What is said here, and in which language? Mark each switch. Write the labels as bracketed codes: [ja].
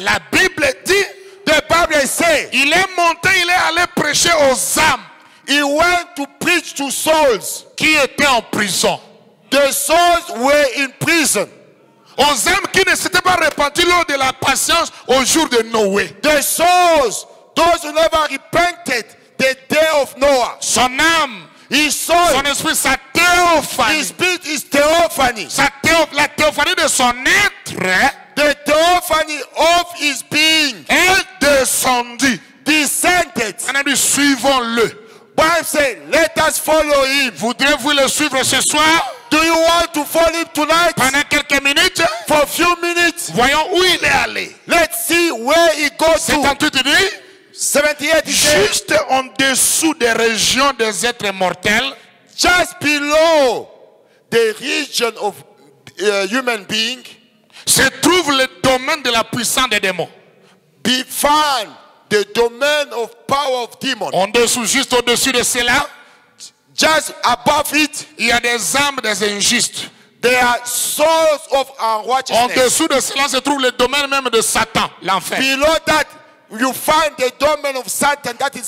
[fr] La Bible dit. [en] The Bible says. [fr] Il est monté, il est allé prêcher aux âmes. [en] He went to preach to souls. [fr] Qui étaient en prison. [en] The souls were in prison. [fr] Aux âmes qui ne s'étaient pas repentis lors de la patience au jour de Noé. [en] The souls, those who never repented the day of Noah. [fr] Son âme, [en] his soul, [fr] son esprit, sa théophanie. [en] His spirit is theophany. [fr] La théophanie de son être. [en] The theophany of his being. [fr] Est descendue. [en] Descended. [fr] En nous suivons-le. [en] Bible says, let us follow him. [fr] Voudrez-vous le suivre ce soir? [en] Do you want to follow him tonight? [fr] Pendant quelques minutes? [en] For a few minutes. [fr] Voyons où il est allé. [en] Let's see where he goes to. [fr] 78 dit? 78 dit. Juste en dessous des régions des êtres mortels. [en] Just below the region of human being. [fr] se trouve le domaine de la puissance des démons. [en] Be found the domain of power of demons. [fr] En dessous, juste au-dessus de cela, [en] just above it, [fr] il y a des âmes des injustes. [en] They are souls of unrighteousness. [fr] En dessous de cela se trouve le domaine même de Satan, l'enfer. [en] Below that, you find the domain of Satan, that is